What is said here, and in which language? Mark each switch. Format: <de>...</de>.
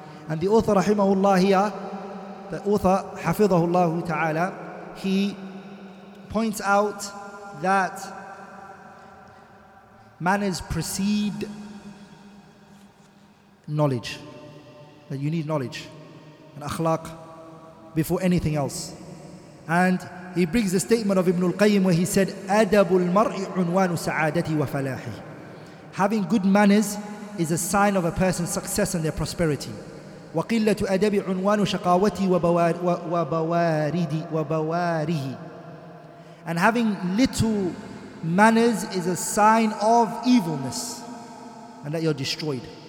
<en>And the author رحمه الله here, the author حفظه الله تعالى, he points out that manners precede knowledge, that you need knowledge and akhlaq before anything else. And he brings the statement of Ibn al-Qayyim where he said,</en> <ar>أَدَبُ الْمَرْءِ عُنْوَانُ سَعَادَتِهِ وَفَلَاحِهِ.</ar> <en>Having good manners is a sign of a person's success and their prosperity.</en> <ar>وقلة أدب عنوان شقاوتي وبواره.</ar> <en>And having little manners is a sign of evilness and that you're destroyed.</en>